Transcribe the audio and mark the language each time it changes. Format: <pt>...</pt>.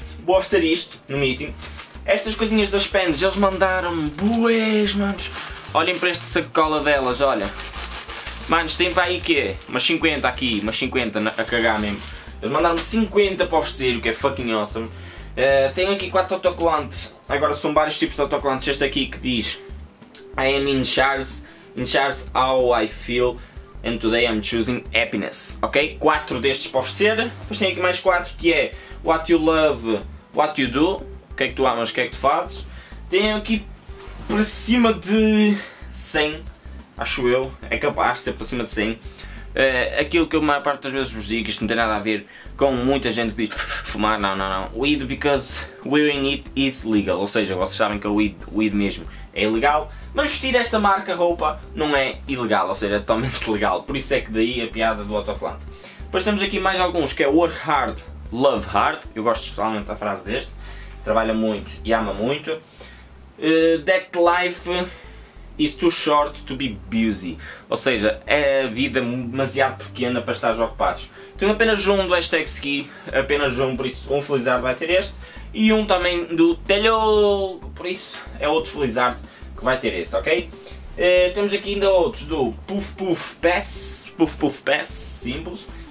<pt>Vou oferecer isto no meeting. Estas coisinhas das pens, eles mandaram-me boas, manos. Olhem para esta sacola delas, olha. Manos, tem para aí o quê? Umas 50 aqui, umas 50 a cagar mesmo. Eles mandaram-me 50 para oferecer, o que é</pt> <en>fucking awesome.</en> <pt>Tenho aqui 4 autocolantes. Agora são vários tipos de autocolantes. Este aqui que diz</pt> <en>I am in charge, how I feel, and today I'm choosing happiness. Ok?</en> <pt>4 destes para oferecer. Depois tenho aqui mais 4 que é</pt> <en>What you love, what you do,</en> <pt>o que é que tu amas, o que é que tu fazes. Tenho aqui para cima de 100, acho eu, é capaz de ser para cima de 100. Aquilo que eu a maior parte das vezes vos digo, isto não tem nada a ver com muita gente que diz fumar, não.</pt> <en>Weed because wearing it is legal,</en> <pt>ou seja, vocês sabem que o weed mesmo é ilegal, mas vestir esta marca roupa não é ilegal, ou seja, é totalmente legal. Por isso é que daí a piada do autoplante. Depois temos aqui mais alguns, que é</pt> <en>work hard, love hard.</en> <pt>Eu gosto especialmente da frase deste. Trabalha muito e ama muito.</pt> <en>That life is too short to be busy.</en> <pt>Ou seja, é a vida demasiado pequena para estares ocupados. Tenho apenas um do hashtag Ski, apenas um, por isso um felizardo vai ter este. E um também do Telho, por isso é outro felizardo que vai ter esse, ok? Temos aqui ainda outros do Puff Puff Pass. Puff Puff Pass, simples.</pt>